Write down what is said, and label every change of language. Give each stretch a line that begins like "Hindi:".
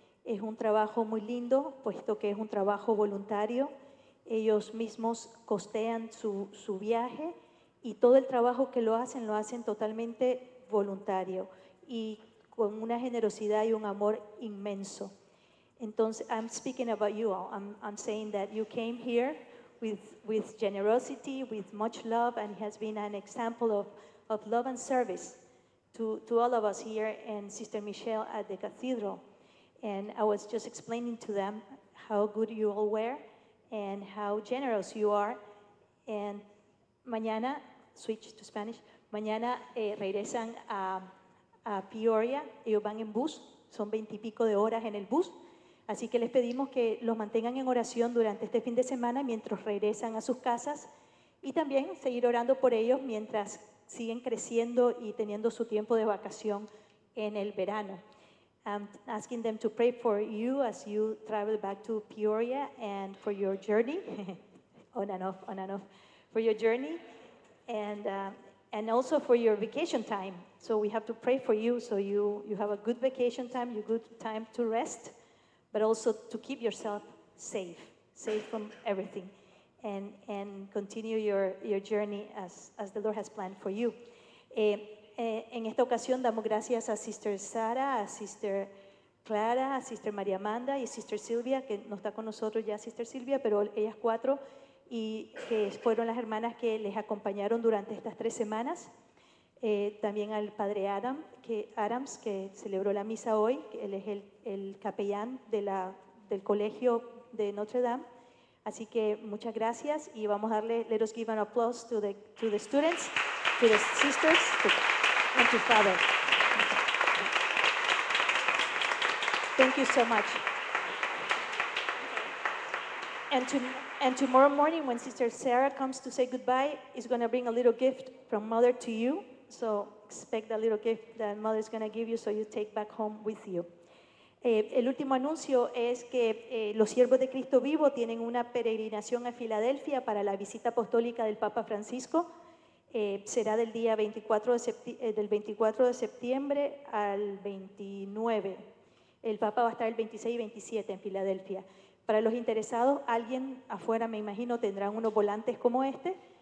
Spanish: Es un trabajo muy lindo, puesto que es un trabajo voluntario. Ellos mismos costean su viaje y todo el trabajo que lo hacen totalmente voluntario y con una generosidad y un amor inmenso. Entonces,
English: I'm speaking about you all. I'm saying that you came here with generosity, with much love, and has been an example of love and service to all of us here and Sister Michelle at the cathedral. And I was just explaining to them how good you all were and how generous you are.
Spanish: And mañana,
English: switch to Spanish,
Spanish: mañana regresan a Peoria, ellos van en bus, son 20 y pico de horas en el bus, así que les pedimos que los mantengan en oración durante este fin de semana mientras regresan a sus casas y también seguir orando por ellos mientras siguen creciendo y teniendo su tiempo de vacación en el verano.
English: I'm asking them to pray for you as you travel back to Peoria and for your journey, on and off, for your journey and also for your vacation time. So we have to pray for you so you have a good vacation time, you good time to rest, but also to keep yourself safe from everything. And continue your journey as the Lord has planned for you.
Spanish: En esta ocasión damos gracias a Sister Sara, a Sister Clara, a Sister María Amanda y a Sister Silvia, que no está con nosotros ya Sister Silvia, pero ellas cuatro, y que fueron las hermanas que les acompañaron durante estas tres semanas. También al Padre Adams, que celebró la misa hoy, él es el capellán del Colegio de Notre Dame. Así que muchas gracias y vamos a darle,
English: let us give an applause to the students, to the sisters, and to Father. Thank you so much. And tomorrow morning, when Sister Sarah comes to say goodbye, is going to bring a little gift from Mother to you. So expect that little gift that Mother is going to give you, so you take back home with you.
Spanish: El último anuncio es que los siervos de Cristo Vivo tienen una peregrinación a Filadelfia para la visita apostólica del Papa Francisco. Será del día 24 de septiembre al 29. El Papa va a estar el 26 y 27 en Filadelfia. Para los interesados, alguien afuera, me imagino, tendrán unos volantes como este.